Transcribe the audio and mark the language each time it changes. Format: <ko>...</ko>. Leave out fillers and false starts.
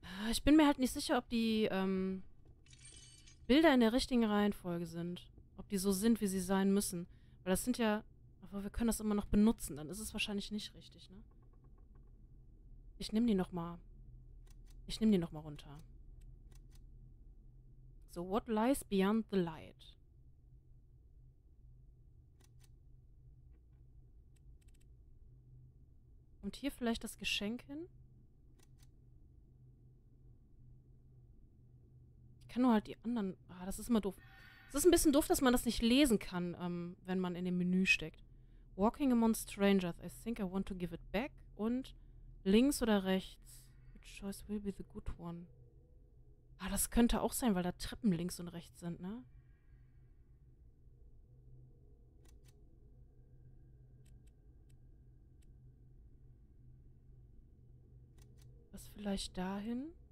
<de>Ich bin mir halt nicht sicher, ob die Bilder in der richtigen Reihenfolge sind. Ob die so sind, wie sie sein müssen. Weil das sind ja... Aber wir können das immer noch benutzen. Dann ist es wahrscheinlich nicht richtig, ne? Ich nehme die nochmal. Ich nehme die nochmal runter.</de> <en>So, what lies beyond the light?</en> <de>Kommt hier vielleicht das Geschenk hin? Ich kann nur halt die anderen... Ah, das ist immer doof. Es ist ein bisschen doof, dass man das nicht lesen kann, wenn man in dem Menü steckt.</de> <en>Walking among strangers. I think I want to give it back.</en> <de>Und links oder rechts?</de> <en>Which choice will be the good one?</en> <de>Ah, das könnte auch sein, weil da Treppen links und rechts sind, ne? Was vielleicht dahin?</de>